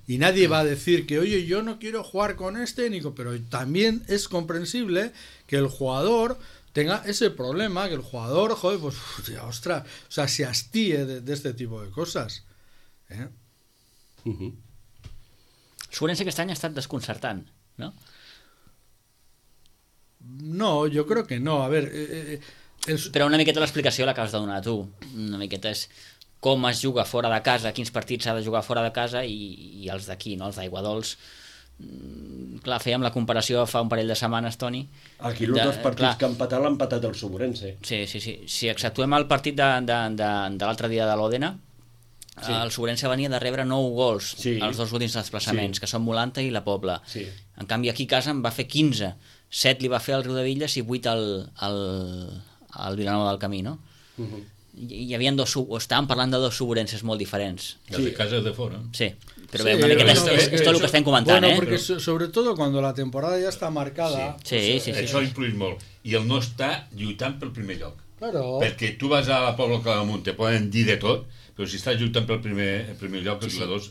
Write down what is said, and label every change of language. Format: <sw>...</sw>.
<es>Y nadie va a decir que, oye, yo no quiero jugar con este, Nico, pero también es comprensible que el jugador tenga ese problema, que el jugador, joder, pues, hostia, ostras, o sea, se hastíe de este tipo de cosas. Suponense que este año</es> <ca>ha estat desconcertant,</ca> <es>¿no? No, yo creo que no. A ver...</es> <ca>Però una miqueta l'explicació l'acabes de donar tu. Una miqueta és com es juga fora de casa, quins partits s'ha de jugar fora de casa i els d'aquí, no? Els d'Aiguadols clar, fèiem la comparació fa un parell de setmanes, Toni. Aquí els dos partits, clar, que han empatat l'han empatat el Suburense. Sí, sí, sí. Si exceptuem el partit de l'altre dia de l'Òdena, sí, el Suburense venia de rebre 9 gols, sí, als dos últims desplaçaments, sí, que són Molanta i la Pobla. Sí. En canvi, aquí a casa en va fer 15. 7 li va fer al Riu de Villas i 8 al Vilanova del Camí, no? Uh-huh. Hi havia dos, o estàvem parlant de dos Suburenses molt diferents. Sí. De casa de fora. Sí.</ca> <es>Pero sí,</es> <ca>una miqueta,</ca> <es>no, es todo lo que estén comentando, bueno, Porque sobre todo cuando la temporada ya está marcada, sí. Eso influye mucho. Y él no está lluitando por el</es> <ca>primer lloc.</ca> <es>Claro. Porque tú vas a la Pobla Claramunt, te pueden decir de todo, pero si estás</es> <ca>lluitando por el primer lloc,</ca> <es>los jugadores</es>